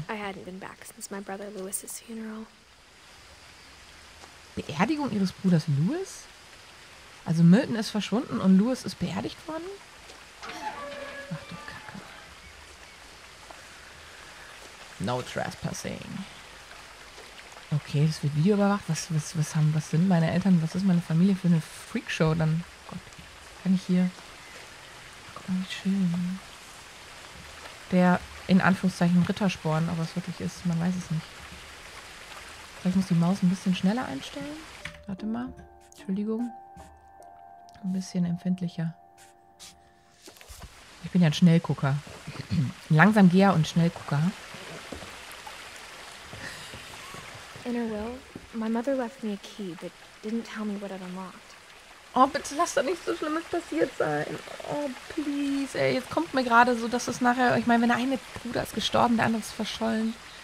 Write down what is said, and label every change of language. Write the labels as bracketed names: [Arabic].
[English] I hadn't been back since my brother Lewis's funeral. [German] Beerdigung ihres Bruders Lewis? Also Milton ist verschwunden und Lewis ist beerdigt worden? Ach du Kacke. [English] No trespassing. [German] Okay, das wird Video überwacht. Was sind meine Eltern? Was ist meine Familie für eine Freakshow? Dann, oh Gott, kann ich hier... Guck mal, wie schön. Der in Anführungszeichen Rittersporn, aber es wirklich ist, man weiß es nicht. Ich muss die Maus ein bisschen schneller einstellen. Warte mal. Entschuldigung. Ein bisschen empfindlicher. Ich bin ja ein Schnellgucker. Ein Langsamgeher und Schnellgucker. Inner Will, [English] My mother left me a key, but didn't tell me what it unlocked. [German] Oh, bitte lass doch nicht so Schlimmes passiert sein. [English] Oh, please. [German] Ey, jetzt kommt mir gerade so, dass es nachher... Ich meine, wenn der eine Bruder ist gestorben, der andere ist verschollen.